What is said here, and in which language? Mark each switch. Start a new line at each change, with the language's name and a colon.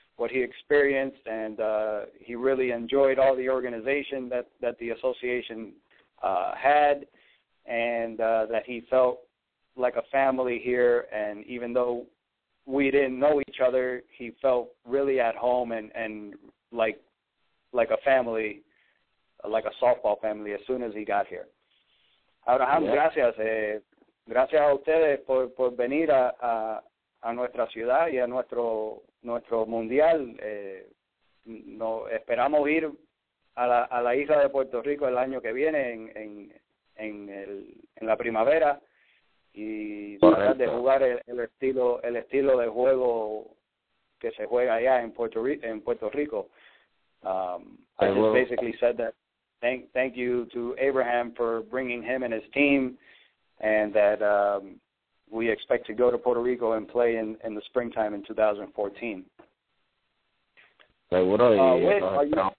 English: he experienced, and he really enjoyed all the organization that the association had, and that he felt like a family here, and even though we didn't know each other, he felt really at home and like a family, like a softball family as soon as he got here. Abraham, yeah.
Spanish: Gracias. Gracias a ustedes por venir a nuestra ciudad y a nuestro mundial. No esperamos ir a la isla de Puerto Rico el año que viene en la primavera. Y tratar de jugar el estilo de juego que se juega allá en Puerto Rico.
English: I just basically said that thank you to Abraham for bringing him and his team, and that we expect to go to Puerto Rico and play in the springtime in 2014.
Spanish: Seguro, y estamos